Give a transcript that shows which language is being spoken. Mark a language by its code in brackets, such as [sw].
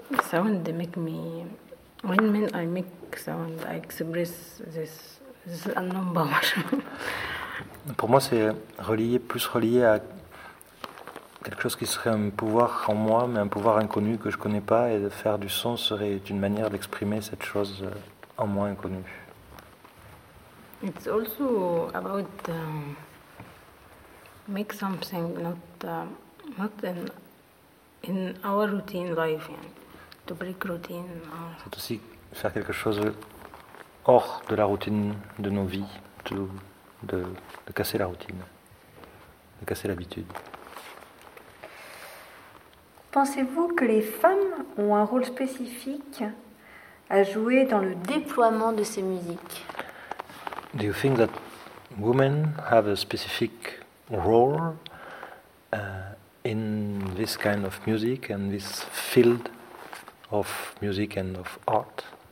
[en] Sound make me. When I make sound, I express this unknown power. [fr] Pour moi, c'est plus relié à quelque chose qui serait un pouvoir en moi, mais un pouvoir inconnu que je connais pas, et de faire du son serait une manière d'exprimer cette chose en moi inconnue. [en] It's also about make something not an. In our routine life, to break routine. [fr] C'est aussi faire quelque chose hors de la routine de nos vies, de casser la routine, de casser l'habitude. Pensez-vous que les femmes ont un rôle spécifique à jouer dans le déploiement de ces musiques? [en] Do you think that women have a specific role in this kind of music and this field of music and of art?